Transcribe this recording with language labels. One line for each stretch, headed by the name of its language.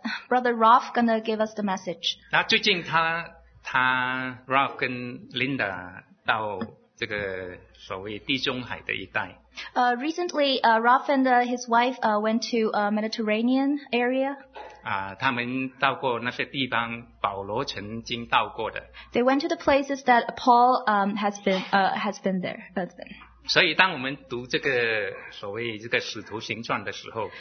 English: Brother Ralph gonna give us the message.
Chinese: 那最近他 Ralph 跟 Linda 到这个所谓地中海的一带。
English: Recently, Ralph and his wife went to a Mediterranean area.
Chinese: 他们到过那些地方，保罗曾经到过的。
English: They went to the places that Paul has been there.
Chinese: 所以，当我们读这个所谓这个《使徒行传》的时候